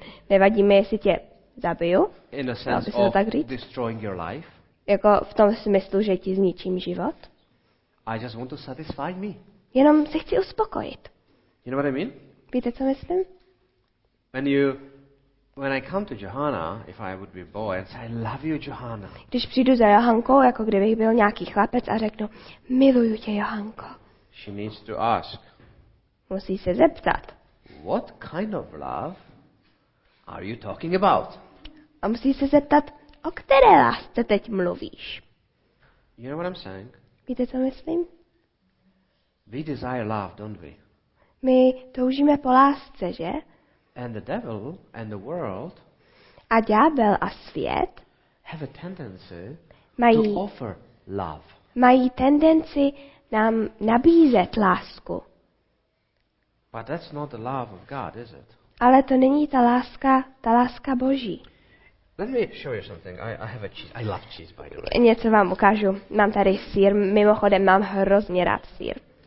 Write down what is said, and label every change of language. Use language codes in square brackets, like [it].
[cs] Nevadí mi, jestli tě zabiju. [en] In a sense of destroying your life. [cs] Jako v tom smyslu, že ti zničím život. [en] I just want to satisfy me. [cs] Jenom se chci uspokojit. [en] You know what I mean? [cs] Víte, co myslím? [en] When I come to Johanna, if I would be a boy, I'd say I love you, Johanna. [cs] Když přijdu za Johankou, jako kdybych byl nějaký chlapec a řeknu, miluju tě, Johanko. [en] She needs to ask. [cs] Musí se zeptat. [en] What kind of love are you talking about? [cs] A musí se zeptat, o které lásce teď mluvíš? [en] You know what I'm saying? [cs] Víte, co myslím? [en] We desire love, don't we? [cs] My toužíme po lásce, že? [en] And the devil and the world. [cs] A ďábel a svět. [en] Have a tendency [cs] mají, [en] to offer love. [cs] Mají tendenci nám nabízet lásku. [en] But that's not the love of God, is it? [cs] Ale to není ta láska Boží. [en] Let me show you something. I have a cheese. I love cheese, by the way. [cs] Něco vám ukážu. Mám tady sýr. Mimochodem, mám hrozně rád sýr.